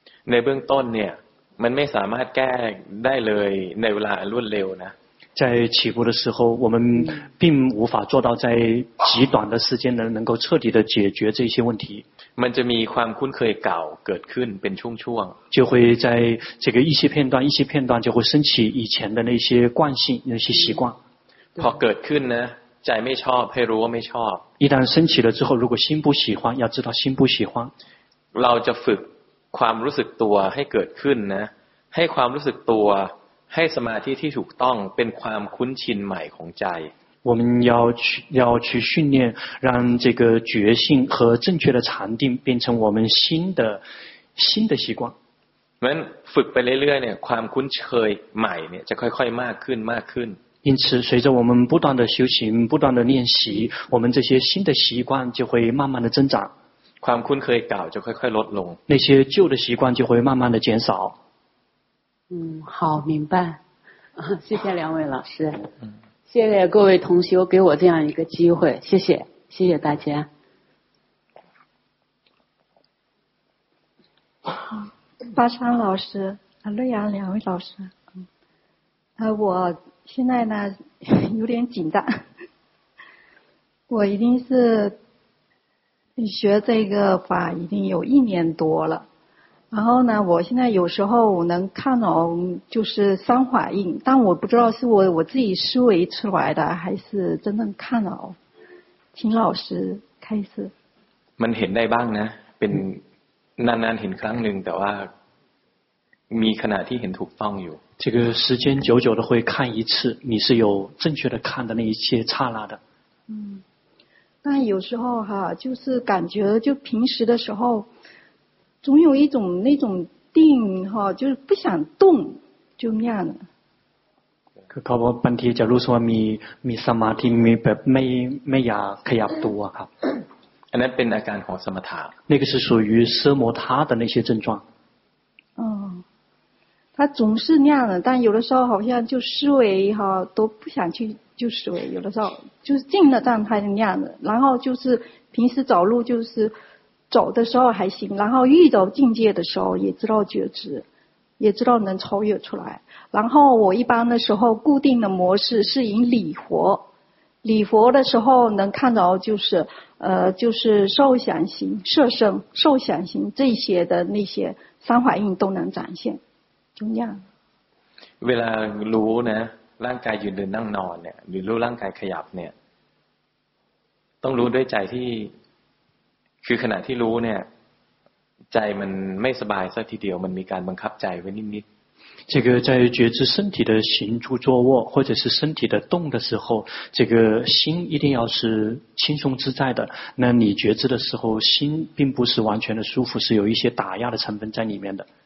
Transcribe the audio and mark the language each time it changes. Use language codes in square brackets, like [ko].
[th] ในเบื้องต้นเนี่ยมันไม่สามารถแก้ได้เลยในเวลารวดเร็วนะ [zh] 在起步的时候我们并无法做到在极短的时间能够彻底的解决这些问题 [th] มันจะมีความคุ้นเคยเก่าเกิดขึ้นเป็นช่วงช่วง [zh] 就会在这个一些片段就会升起以前的那些惯性那些习惯 [th] พอเกิดขึ้นนะใจไม่ชอบให้รู้ว่าไม่ชอบ [zh] 一旦升起了之后如果心不喜欢要知道心不喜欢 [th] เราจะฝึกความรู้สึกตัวให้เกิดขึ้นนะให้ความรู้สึกตัวให้สมาธิที่ถูกต้องเป็นความคุ้นชินใหม่ของใจ [zh] 我们要去训练让这个觉性和正确的禅定变成我们新的习惯 [th] เหมือนฝึกไปเรื่อยๆเนี่ยความคุ้นเคยใหม่เนี่ยจะค่อยๆมากขึ้น [zh] 因此随着我们不断的修行不断的练习我们这些新的习惯就会慢慢的增长 [th] ความคุ้นเคยเก่าจะค่อยๆลดลง [zh] 那些旧的习惯就会慢慢的减少。嗯，好，明白。谢谢两位老师。谢谢各位同修给我这样一个机会，谢谢，谢谢大家。巴山老师，瑞阳两位老师，我现在呢有点紧张，我一定是。你学这个法已经有一年多了然后呢我现在有时候能看到就是三法印但我不知道是我自己思维出来的还是真正看到请老师开始 [th] มันเห็นได้บ้างนะเป็นนานๆเห็นครั้งหนึ่งแต่ว่ามีขณะที่เห็นถูกต้องอยู่ [zh] 这个时间久久的会看一次你是有正确的看的那一些刹那的但有时候哈，就是感觉就平时的时候，总有一种那种定哈，就是不想动，就那样的。 [th] คือเขาบอกบางทีจะรู้สึกว่ามีสมาธิมีแบบไม่อยากขยับตัวครับ อันนั้นเป็นอาการของสมถะ [zh] 那个是属于奢摩他的那些症状。哦，他总是那样的，但有的时候好像就思维哈都不想去。就是我有的时候就是静的状态的那样的然后就是平时走路就是走的时候还行然后遇到境界的时候也知道觉知也知道能超越出来然后我一般的时候固定的模式是以礼佛的时候能看到就是受想行摄生受想行这些的那些三法印都能展现就那样为了如呢 [th] ร่างกายยืนเดินนั่งนอนเนี่ยหรือรู้ร่างกายขยับเนี่ยต้องรู้ด้วยใจที่คือขณะที่รู้เนี่ยใจมันไม่สบายสักทีเดียวมันมีการบังคับใจไว้นิด [zh] ๆ这个在觉知身体的行住坐卧或者是身体的动的时候这个心一定要是轻松自在的那你觉知的时候心并不是完全的舒服是有一些打压的成分在里面的